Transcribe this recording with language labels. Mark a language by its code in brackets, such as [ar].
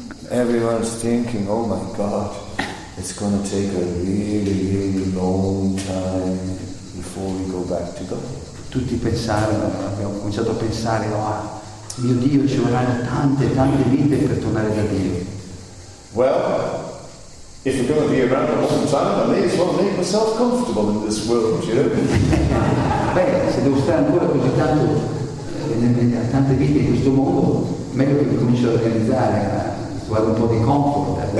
[en] Everyone's thinking, oh my God, it's going to take a really, really long time before we go back to God. [it] tutti pensarono, abbiamo cominciato a pensare, oh, mio Dio, ci vorranno tante, tante vite per tornare da Dio. [en] Well, if you're going to be around a long time, I may as well make myself comfortable in this world, you know. [it] Beh, se devo stare ancora così tanto, tante vite in questo mondo, meglio che mi comincio a organizzare, guardo un po' di comfort.